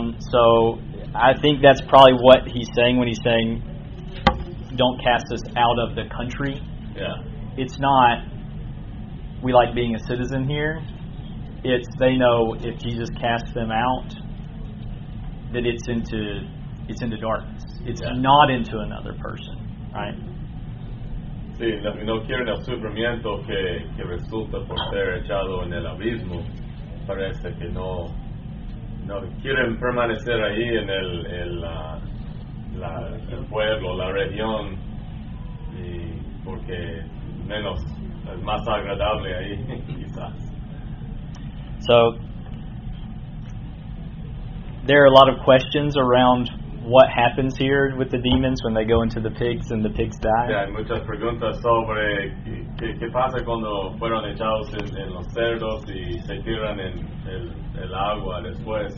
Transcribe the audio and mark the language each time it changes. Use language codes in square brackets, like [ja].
[en] So I think that's probably what he's saying when he's saying don't cast us out of the country. Yeah. It's not we like being a citizen here. It's they know if Jesus casts them out that it's into darkness. It's yeah. not into another person, right? [es] Sí, no quieren el sufrimiento que resulta por ser echado en el abismo. Parece que no quieren permanecer ahí en el pueblo, la región, y porque menos es más agradable ahí, quizás. [en] So there are a lot of questions around what happens here with the demons when they go into the pigs and the pigs die. [es] Yeah, hay muchas preguntas sobre qué pasa cuando fueron echados en los cerdos y se tiran en el agua después.